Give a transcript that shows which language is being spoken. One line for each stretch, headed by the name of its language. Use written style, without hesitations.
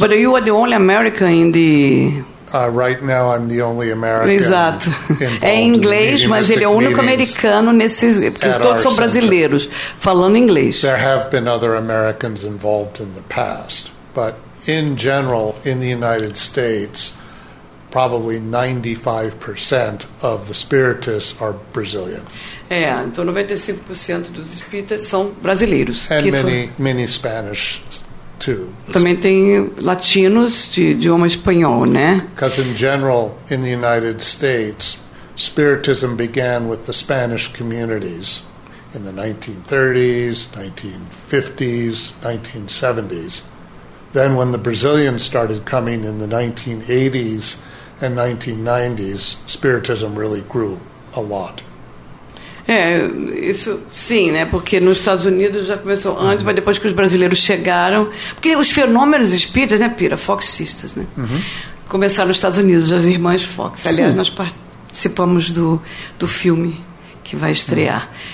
English: But you are the only American in the. Right now, I'm the only American.
Portuguese: Exato. É inglês, in mas ele é o único americano nesses, porque todos são brasileiros falando inglês.
English: There have been other Americans involved in the past, but in general, in the United States, probably 95% of the Spiritists are Brazilian.
Portuguese: É, então 95% dos espíritas são brasileiros.
English: And que many, many Spanish too.
Portuguese: Também tem latinos de idioma espanhol, né?
English: Because in general, in the United States, Spiritism began with the Spanish communities in the 1930s, 1950s, 1970s. Then when the Brazilians started coming in the 1980s and 1990s, Spiritism really grew a lot.
Portuguese: É, isso sim, né? Porque nos Estados Unidos já começou antes, mas depois que os brasileiros chegaram, porque os fenômenos espíritas, né, Pira, Fox Sisters, né? Começaram nos Estados Unidos, as irmãs Fox. Aliás, nós participamos do filme que vai estrear.